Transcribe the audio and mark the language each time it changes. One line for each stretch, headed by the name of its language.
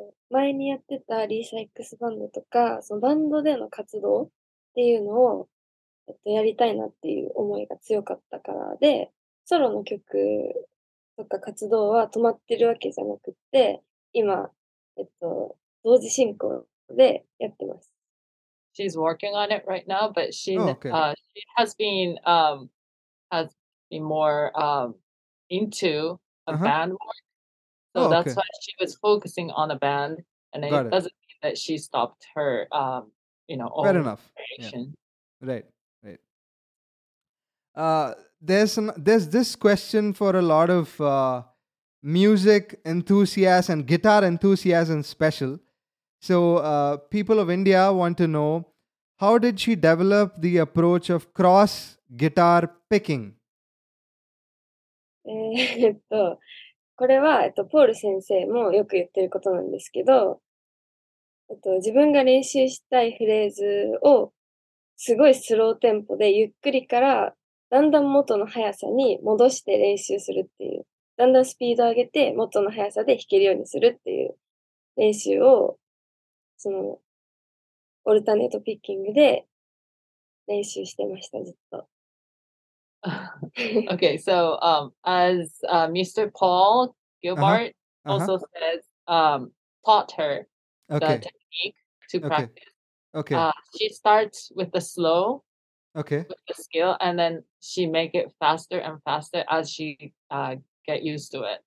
Japanese: 前にやってたリーサ X バンドとか、そのバンドでの活動っていうのをやりたいなっていう思いが強かったからで、ソロの曲とか活動は止まってるわけじゃなくて、今同時進行でやってます。
English: She's working on it right now, but she has been more into a band work. So that's why she was focusing on a band, and it doesn't mean that she stopped her own inspiration. Yeah. Right. There's this question for a lot of music enthusiasts and guitar enthusiasts in special. So people of India want to know, how did she develop the approach of cross guitar picking?
Japanese: これは、ポール先生もよく言ってることなんですけど、自分が練習したいフレーズをすごいスローテンポでゆっくりからだんだん元の速さに戻して練習するっていう、だんだんスピード上げて元の速さで弾けるようにするっていう練習を、そのオルタネートピッキングで練習してました、ずっと。
English: Okay, so as Mr. Paul Gilbert also says, taught her the technique to practice. She starts with the slow, with the skill, and then she make it faster and faster as she get used to it.